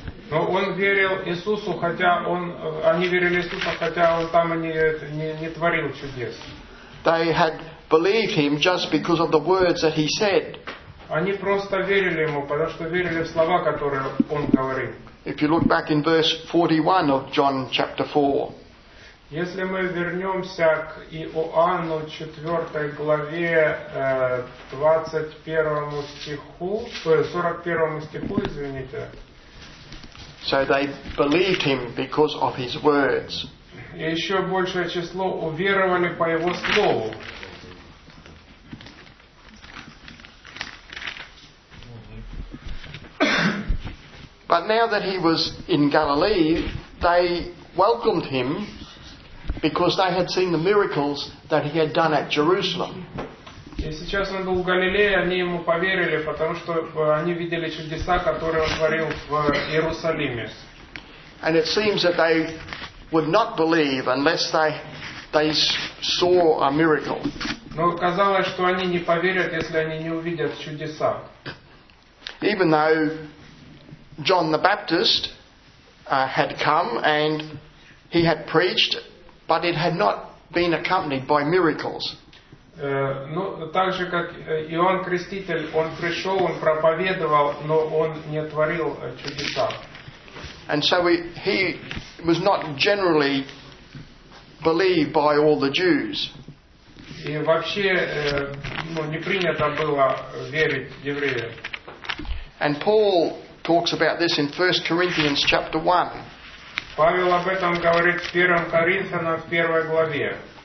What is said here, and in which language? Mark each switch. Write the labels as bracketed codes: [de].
[ru] Но он верил Иисусу, хотя они верили Иисуса, хотя он там не творил чудес. [en] They had believed him just because of the words that he said. [ru] Они просто верили ему, потому что верили в слова, которые он говорил. [en] If you look back in verse 41 of John chapter 4. [ru] Если мы вернемся к Иоанну 4 главе 21 стиху, 41 стиху, извините. [en] So they believed him because of his words. [ru] И еще большее число уверовали по его слову. [en] But now that he was in Galilee, they welcomed him because they had seen the miracles that he had done at Jerusalem. [ru] И сейчас он был в Галилее, они ему поверили, потому что они видели чудеса, которые он творил в Иерусалиме. [en] And it seems that they would not believe unless they saw a miracle. [ru] Но казалось, что они не поверят, если они не увидят чудеса. [en] Even though John the Baptist had come and he had preached, but it had not been accompanied by miracles. [ru] Ну, так же, как Иоанн Креститель, он пришел, он проповедовал, но он не творил чудеса. [en] And so he was not generally believed by all the Jews. [ru] И вообще, ну, не принято было верить евреям. [en] And Paul talks about this in 1 Corinthians chapter 1. [ru] Павел об этом говорит в 1 Коринфянам в 1 главе.